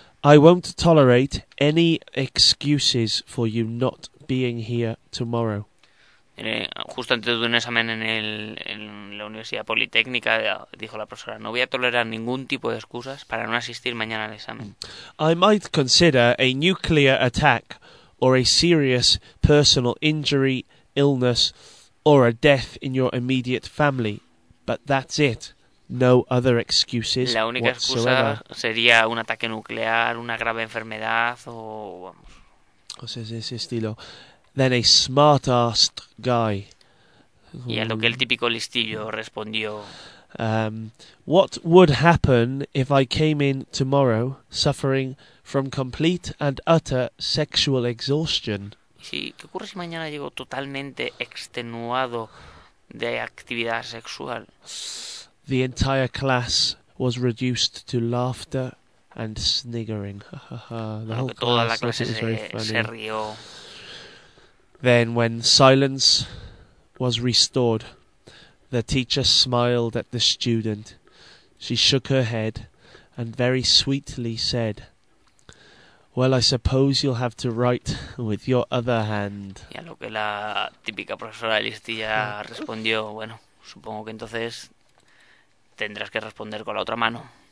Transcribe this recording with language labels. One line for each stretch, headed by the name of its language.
English: I won't tolerate any excuses for you not being here tomorrow."
Spanish: Justo antes de un examen en la Universidad Politécnica, dijo la profesora, "No voy a tolerar ningún tipo de excusas para no asistir mañana al examen."
English: "I might consider a nuclear attack or a serious personal injury, illness, or a death in your immediate family. But that's it. No other excuses.
Spanish: La única excusa sería un ataque nuclear, una grave enfermedad o vamos. O sea, ese estilo.
English: Then a smart assed guy.
Spanish: Y a lo que el típico listillo respondió.
English: What would happen if I came in tomorrow suffering from complete and utter sexual exhaustion?
Spanish: Sí, ¿qué ocurre si mañana llego totalmente extenuado de actividad sexual?
English: The entire class was reduced to laughter and sniggering. The whole class very funny.
Spanish: Se rió.
English: Then when silence was restored, the teacher smiled at the student. She shook her head and very sweetly said, "Well, I suppose you'll have to write with your other hand."
Spanish: Y a lo que la típica profesora de listilla respondió, bueno, supongo que entonces tendrás que responder con la otra mano.